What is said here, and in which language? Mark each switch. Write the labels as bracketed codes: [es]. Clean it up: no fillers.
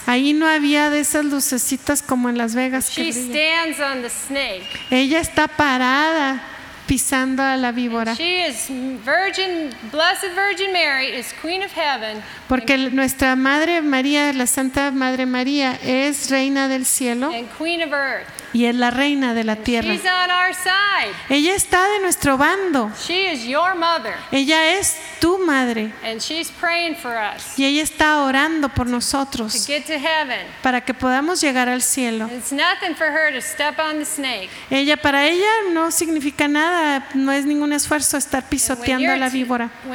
[es] Ahí no había de esas lucecitas como en Las Vegas. [en] She stands on the snake. [es] Ella está parada pisando a la víbora. [en] She is Virgin, Blessed Virgin Mary is Queen of Heaven. [es] Porque nuestra Madre María, la Santa Madre María, es reina del cielo. [en] And Queen of Earth. [es] Y es la reina de la tierra. [en] She's on our side. [es] Ella está de nuestro bando. [en] She is your mother. [es] Ella es tu madre. [en] And she's praying for us. [es] Y ella está orando por nosotros. [en] To get to heaven. [es] Para que podamos llegar al cielo. [en] It's nothing for her to step on the snake. [es] Ella, para ella no significa nada nada, no es ningún esfuerzo estar pisoteando a la víbora.